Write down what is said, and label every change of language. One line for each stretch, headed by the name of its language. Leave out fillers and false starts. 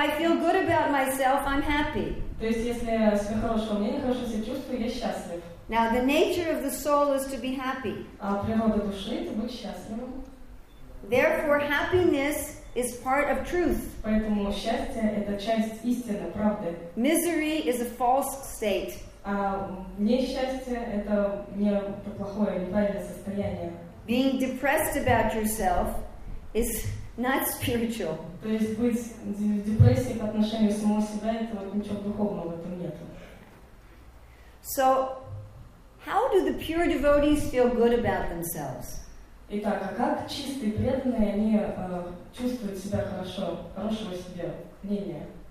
English: If I feel good about myself, I'm happy.
Russian: То есть, если я себя хорошо, мне хорошо себя чувствую, я счастлив.
English: Now the nature of the soul is to be happy.
Russian: А природа души — это быть счастливым.
English: Therefore, happiness is part of truth.
Russian: Поэтому счастье — это часть истины, правды.
English: Misery is a false state.
Russian: А несчастье — это не плохое, неправильное состояние.
English: Being depressed about yourself is not spiritual.
Russian: То есть быть в депрессии по отношению к самому себе — это ничего духовного в этом нет.
English: So how do the pure devotees feel good about themselves?
Russian: Итак, а как чистые преданные, они чувствуют себя хорошо, хорошего себе мнения?